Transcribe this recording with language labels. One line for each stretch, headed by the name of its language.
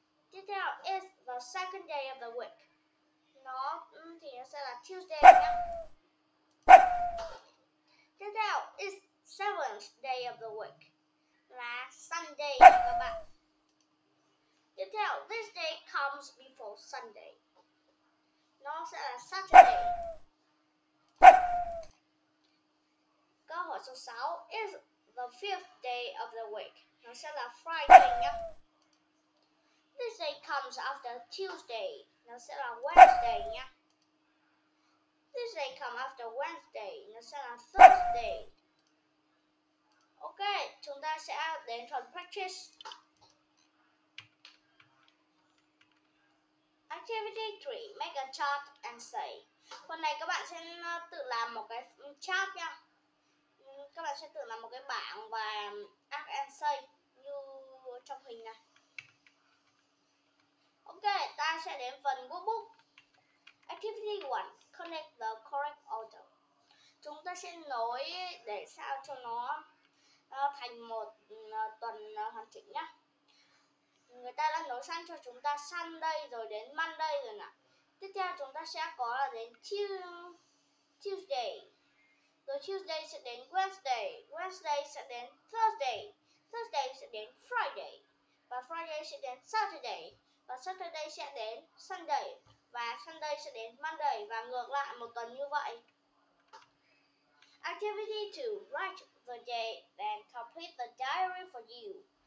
Vietnamese: Tiếp theo,
English: it's the second day of the week.
Vietnamese: Đó, thì nó sẽ là Tuesday nhé. Tiếp theo,
English: it's seventh day of the week.
Vietnamese: Là Sunday nha các bạn. Tiếp theo,
English: this day comes before Sunday.
Vietnamese: Nó sẽ là
English: Saturday.
Vietnamese: Câu hỏi số 6,
English: it's the fifth day of the week.
Vietnamese: Nó sẽ là Friday nhé.
English: This day comes after Tuesday.
Vietnamese: Nó sẽ là Wednesday nhé.
English: This day comes after Wednesday.
Vietnamese: Nó sẽ là Thursday. Ok, chúng ta sẽ đến phần practice. Activity 3.
English: Make a chart and say.
Vietnamese: Phần này các bạn sẽ tự làm một cái chart nha. Các bạn sẽ tự làm một cái bảng và ask and say như trong hình này. Ok, ta sẽ đến phần workbook. Activity 1.
English: Connect the correct order.
Vietnamese: Chúng ta sẽ nối để sao cho nó thành một tuần hoàn chỉnh nhá. Người ta đã nối sang cho chúng ta Sunday rồi đến Monday rồi nè. Tiếp theo chúng ta sẽ có là đến Tuesday. Rồi Tuesday sẽ đến Wednesday. Wednesday sẽ đến Thursday. Thursday sẽ đến Friday. Và Friday sẽ đến Saturday. Và Saturday sẽ đến Sunday. Và Sunday sẽ đến Monday. Và ngược lại một tuần như vậy.
English: Activity 2. Write the day and complete the diary for you.